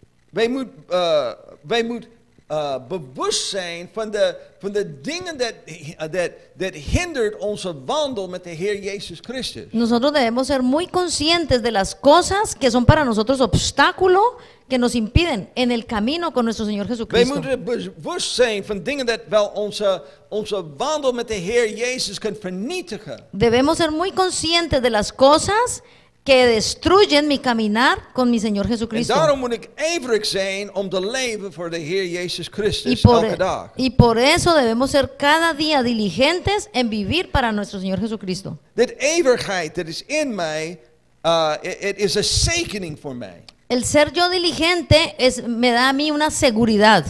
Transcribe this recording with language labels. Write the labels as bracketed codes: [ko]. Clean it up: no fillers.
[nl] Wij moeten bewust zijn van de dingen dat hindert onze wandel met de Heer Jezus Christus. [es] Nosotros debemos ser muy conscientes de las cosas que son para nosotros obstáculo que nos impiden en el camino con nuestro Señor Jesucristo. [nl] Wij moeten bewust zijn van dingen dat wel onze wandel met de Heer Jezus kan vernietigen. [es] Debemos ser muy conscientes de las cosas que destruyen mi caminar con mi Señor Jesucristo. [nl] En daarom moet ik ijverig zijn om te leven voor de Heer Jezus Christus elke dag. [es] Y por eso debemos ser cada día diligentes en vivir para nuestro Señor Jesucristo. [nl] Dit ijverigheid dat is in mij, [en] it is a [nl] zekering voor mij. [es] El ser yo diligente me da a mí una seguridad.